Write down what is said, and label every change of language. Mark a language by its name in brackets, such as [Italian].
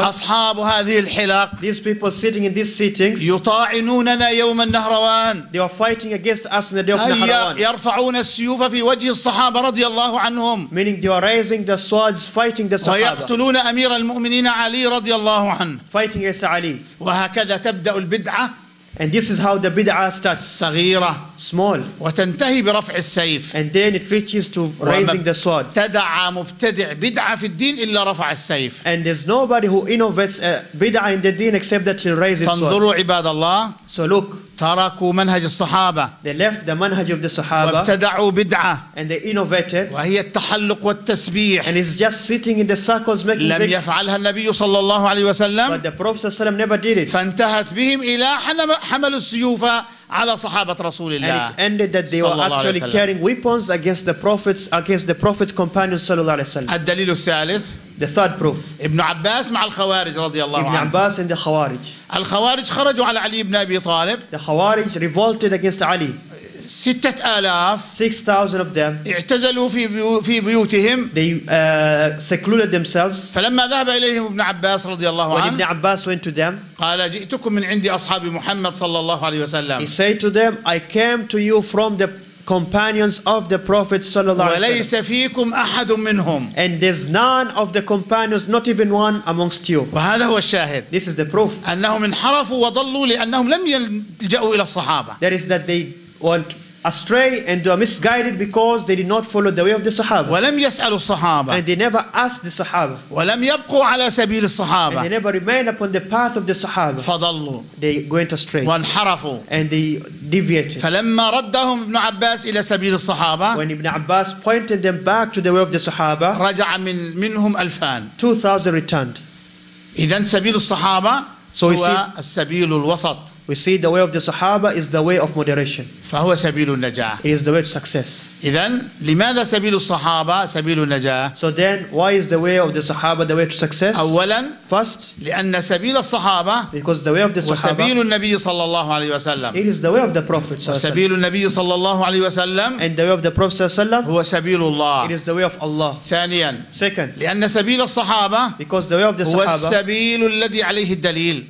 [Arabic] أصحاب هذه الحلق. [English] These people sitting in these seatings. [Arabic] يطاعنوننا يوم النهروان. [English] They are fighting against us on the day of النهروان. [Arabic] يرفعون السيوف في وجه الصحابة رضي الله عنهم. [English] Meaning they are raising the swords, fighting the Sahaba. [Arabic] ويقتلون أمير المؤمنين علي رضي الله عنه. [English] Fighting against Ali. [Arabic] وهكذا تبدأ البدعة. [English] And this is how the bid'ah starts. [Arabic] صغيرة. [English] Small. [Arabic] وتنتهي برفع السيف. [English] And then it reaches to raising the sword. [Arabic] تدعى مبتدع بدعة في الدين إلا رفع السيف. [English] And there's nobody who innovates a bid'ah in the deen except that he'll raise his sword. [Arabic] فانظروا عباد الله. [English] So look. [Arabic] تركوا منهج الصحابة. [English] They left the manhaj of the Sahaba. [Arabic] وابتدعوا بدعة. [English] And they innovated. [Arabic] وهي التحلق والتسبيح. [English] And it's just sitting in the circles making. [Arabic] لم يفعلها النبي صلى الله عليه وسلم. [English] But the Prophet [Arabic] صلى الله عليه وسلم [English] never did it. [Arabic] فانتهت بهم إلى حملوا السيوف على صحابة رسول الله. [English] And it ended that they were actually carrying weapons against the prophets, against the prophet's companions [Arabic] صلى الله عليه وسلم. الدليل الثالث. [English] The third proof. [Arabic] ابن عباس مع الخوارج رضي الله عنه. ابن عباس [English] and the خوارج. [Arabic] الخوارج خرجوا على علي بن أبي طالب. [English] The خوارج revolted against Ali. [Arabic] 6,000. [English] 6,000 of them. [Arabic] اعتزلوا في بيوتهم. [English] They secluded themselves. [Arabic] فلما ذهب إليهم ابن عباس رضي الله عنه. [English] When [Arabic] ابن عباس [English] went to them. [Arabic] قال جئتكم من عندي أصحاب محمد صلى الله عليه وسلم. [English] He said to them, I came to you from the companions of the Prophet [Arabic] صلى الله عليه وسلم. وليس فيكم أحد منهم. [English] And there's none of the companions, not even one amongst you. [Arabic] وهذا هو الشاهد. [English] This is the proof. [Arabic] أنهم انحرفوا وضلوا لأنهم لم يلجأوا إلى الصحابة. [English] That is that they went astray and were misguided because they did not follow the way of the Sahaba. [Arabic] ولم يسألوا الصحابة. [English] And they never asked the Sahaba. [Arabic] ولم يبقوا على سبيل الصحابة. [English] And they never remained upon the path of the Sahaba. [Arabic] فضلوا. [English] They went astray. [Arabic] وانحرفوا. [English] And they deviated. [Arabic] فلما ردهم ابن عباس إلى سبيل الصحابة. [English] When Ibn Abbas pointed them back to the way of the Sahaba. [Arabic] رجع من منهم 2,000. [English] 2,000 returned. [Arabic] إذن سبيل الصحابة. So هو السبيل الوسط. [English] We see the way of the Sahaba is the way of moderation. [Arabic] فهو سبيل النجاح. [English] It is the way to success. [Arabic] إذن لماذا سبيل الصحابة سبيل النجاح؟ [English] So then, why is the way of the Sahaba the way to success? [Arabic] أولاً. [English] First. [Arabic] لأن سبيل الصحابة. [English] Because the way of the Sahaba. [Arabic] وسبيل النبي صلى الله عليه وسلم. [English] It is the way of the Prophet. [Arabic] وسبيل النبي صلى الله عليه وسلم. [English] And the way of the Prophet [Arabic] صلى الله عليه وسلم. هو سبيل الله. [English] It is the way of Allah. [Arabic] ثانياً. [English] Second. [Arabic] لأن سبيل الصحابة. [English] Because the way of the Sahaba. [Arabic] هو السبيل الذي عليه الدليل.